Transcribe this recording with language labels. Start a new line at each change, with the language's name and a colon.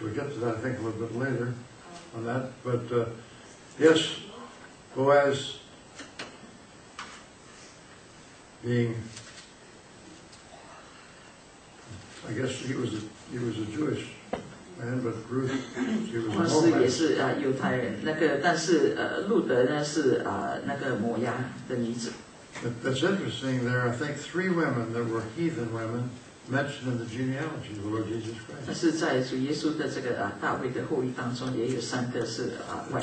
English: We'll get to that, I think, a little bit later on that. But yes, Boaz being, I guess he was a Jewish man, but Ruth, she was a Moabite.
Chinese: 也是犹太人，那个，但是路德呢是那个摩押的女子。
English: That's interesting. There are, I think, three women that were heathen women mentioned in the genealogy of the Lord Jesus Christ.
Chinese: 但是在主耶稣的这个大卫的后裔当中，也有三个是外邦。